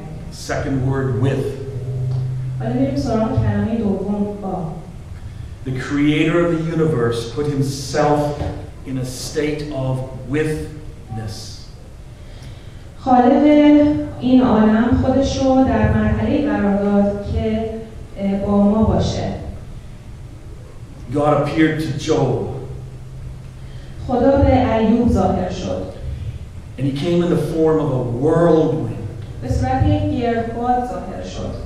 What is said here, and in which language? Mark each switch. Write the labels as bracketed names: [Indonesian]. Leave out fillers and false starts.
[English] Second word, with. The creator of the universe put himself in a state of withness. [Persian] خالق این عالم خودش رو در مرحله‌ای قرار داد که با ما باشه. [English] God appeared to Job. [Persian] خدا به ایوب ظاهر شد. [English] And he came in the form of a whirlwind. [Persian] به صورت یک گردباد ظاهر شد.